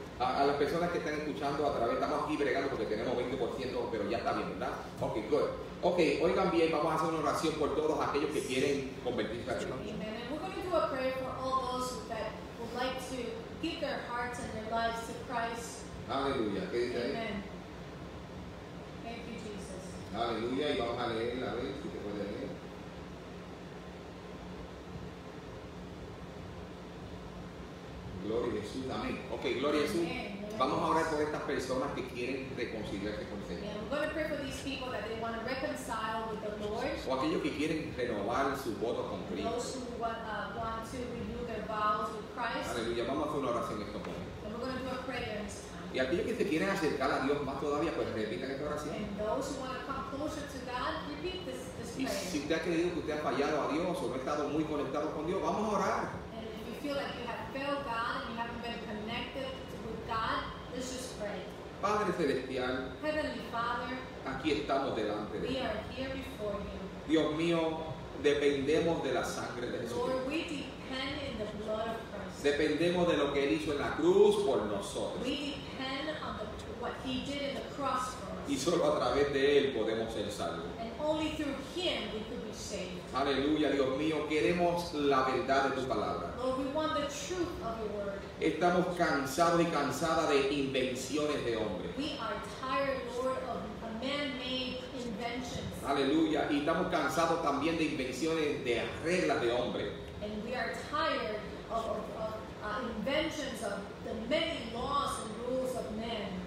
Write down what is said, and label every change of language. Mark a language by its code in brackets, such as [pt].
[es] A las personas que están escuchando a través, estamos aquí bregando porque tenemos 20%, pero ya está bien, ¿verdad? [en] Okay, good. [es] Okay, oigan bien, vamos a hacer una oración por todos aquellos que quieren convertirse a Cristo. [en] Amen. And we're going to do a prayer for all those that would like to give their hearts and their lives to Christ. [es] Aleluya. ¿Qué dice? [en] Amen. Thank you, Jesus. [es] Aleluya. Y vamos a leer la vez, si te puede leer. Gloria a Jesús. Amén. Ok, gloria a Jesús. [en] Amen. [es] Vamos a orar por estas personas que quieren reconciliarse con el Señor. [en] Yeah, we're going to pray for these people that they want to reconcile with the Lord. [es] O aquellos que quieren renovar su voto con Cristo. [en] Those who want to renew their vows with Christ. [es] Aleluya. Vamos a hacer una oración en estos momentos. [en] So we're going to do a prayer. [es] Y aquellos que se quieren acercar a Dios más todavía, pues repitan esta oración. [en] And those who want to come closer to God, repeat this prayer. [es] Y si usted ha creído que usted ha fallado a Dios o no ha estado muy conectado con Dios, vamos a orar. [en] And if you feel like you have failed God and you haven't been connected with God, let's just pray. [es] Padre Celestial, [en] Heavenly Father, [es] aquí estamos delante de ti. [en] We are here before you. [es] Dios mío, dependemos de la sangre de Jesús. [en] Lord, we depend in the blood of Christ. [es] Dependemos de lo que Él hizo en la cruz por nosotros. [en] We depend on what He did in the cross for us. [es] Y solo a través de Él podemos ser salvos. [en] And only through Him we could be saved. [es] Aleluya, Dios mío, queremos la verdad de tu palabra. [en] Lord, we want the truth of your word. [es] Estamos cansados y cansadas de invenciones de hombres. [en] We are tired, Lord, of man-made inventions. [es] Aleluya, y estamos cansados también de invenciones de reglas de hombres. [en] And we are tired of inventions of the many laws and rules of men.